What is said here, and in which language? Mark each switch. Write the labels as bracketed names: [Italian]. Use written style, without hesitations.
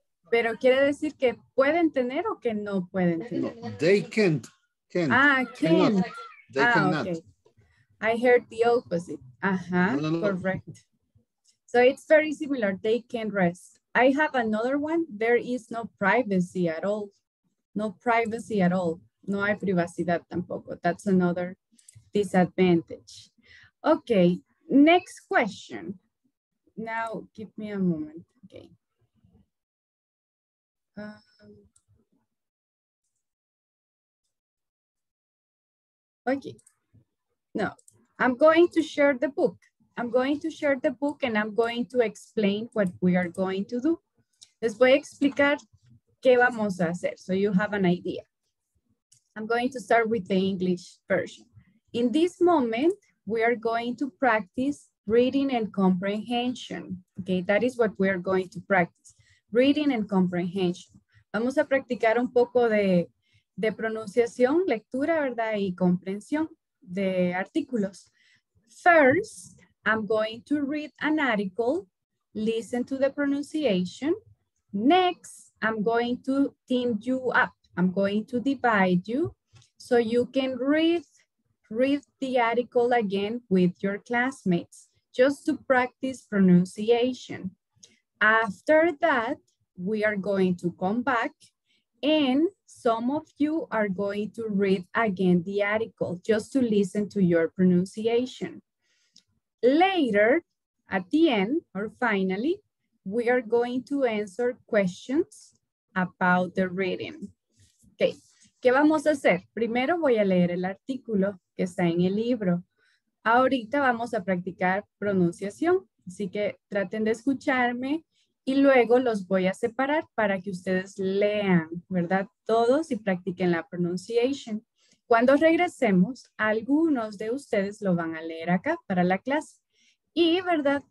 [Spanish] Pero quiere decir que pueden tener o que no pueden tener. No, [English] they can't. Can't. Ah, can't. They cannot. Okay. I heard the opposite. No, no, correct. No. So it's very similar. They can rest. I have another one. There is no privacy at all. No privacy at all. [Spanish] No hay privacidad tampoco. [English] That's another disadvantage. Okay, next question. Now, give me a moment. Okay. Okay. No, I'm going to share the book. I'm going to share the book and I'm going to explain what we are going to do. [Spanish] Les voy a explicar qué vamos a hacer, [English] so you have an idea. I'm going to start with the English version. In this moment, we are going to practice reading and comprehension. Okay, that is what we are going to practice, reading and comprehension. [Spanish] Vamos a practicar un poco de pronunciación, lectura, ¿verdad? Y comprensión de artículos. [English] First, I'm going to read an article, listen to the pronunciation. Next, I'm going to team you up. I'm going to divide you so you can read the article again with your classmates just to practice pronunciation. After that, we are going to come back and some of you are going to read again the article just to listen to your pronunciation. Later, at the end or finally, we are going to answer questions about the reading. [Spanish] Okay, ¿qué vamos a hacer? Primero voy a leer el artículo que está en el libro. Ahorita vamos a practicar pronunciación, así que traten de escucharme y luego los voy a separar para que ustedes lean, ¿verdad? Todos y practiquen la pronunciation. Cuando regresemos, algunos de ustedes lo van a leer acá para la clase. Y, ¿verdad?